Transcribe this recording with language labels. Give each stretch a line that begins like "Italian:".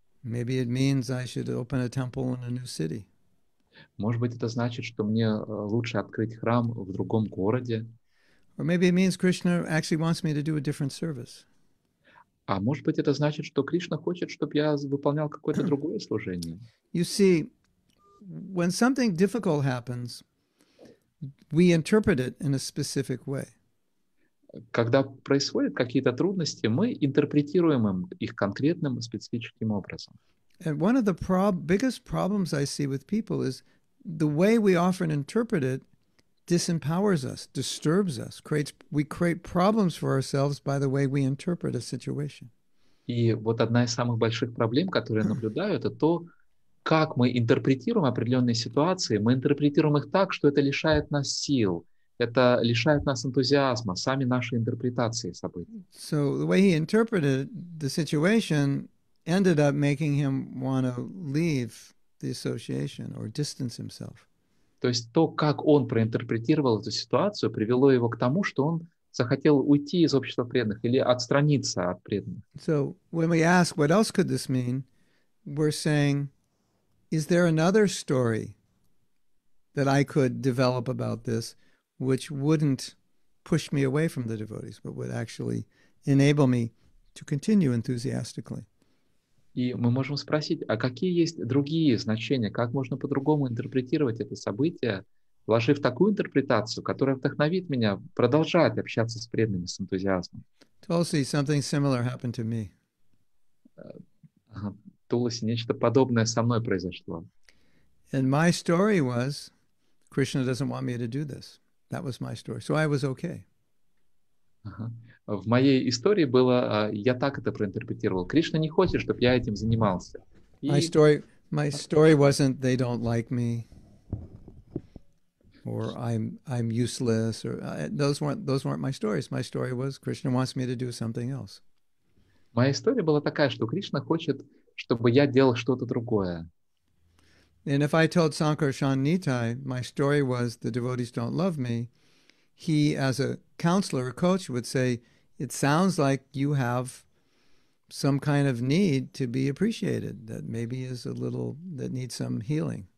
English: Maybe it means I should open a temple in a new city.
Russian: Может быть, это значит, что мне лучше открыть храм в другом городе.
English: Or maybe it means Krishna actually wants me to do a different service.
Russian: А может быть, это значит, что Кришна хочет, чтобы я выполнял какое-то другое служение.
English: You see, when something difficult happens, we interpret it in a specific way.
Russian: Когда происходят какие-то трудности, мы интерпретируем их конкретным специфическим образом.
English: And one of the biggest problems I see with people is the way we often interpret it disempowers us, disturbs us, we create problems for ourselves by the way we interpret a situation.
Russian: И вот одна из самых больших проблем, которые я наблюдаю, это то, как мы интерпретируем определенные ситуации. Мы интерпретируем их так, что это лишает нас сил, это лишает нас энтузиазма, сами наши интерпретации событий.
English: So the way he interpreted the situation ended up making him want to leave the association or distance himself.
Russian: То есть то, как он проинтерпретировал эту ситуацию, привело его к тому, что он захотел уйти из общества преданных или отстраниться от преданных.
English: So when we ask, what else could this mean, we're saying, is there another story that I could develop about this, which wouldn't push me away from the devotees, but would actually enable me to continue enthusiastically?
Russian: И мы можем спросить, а какие есть другие значения, как можно по-другому интерпретировать это событие, вложив такую интерпретацию, которая вдохновит меня продолжать общаться с преданными с энтузиазмом.
English: Tulsi, something similar happened to me.
Russian: Tulsi, нечто подобное со мной произошло.
English: And my story was, Krishna doesn't want me to do this. That was my story. So I was okay.
Russian: В моей истории было, я так это проинтерпретировал. Кришна не хочет, чтобы я этим занимался.
English: My story wasn't they don't like me or I'm useless or those weren't my stories. My story was Krishna wants me to do something else.
Russian: Моя история была такая, что Кришна хочет, чтобы я делал что-то другое.
English: And if I told Sankarshan Nitai my story was the devotees don't love me, he as a counselor, a coach would say, it sounds like you have some kind of need to be appreciated that maybe is a little, that needs some healing.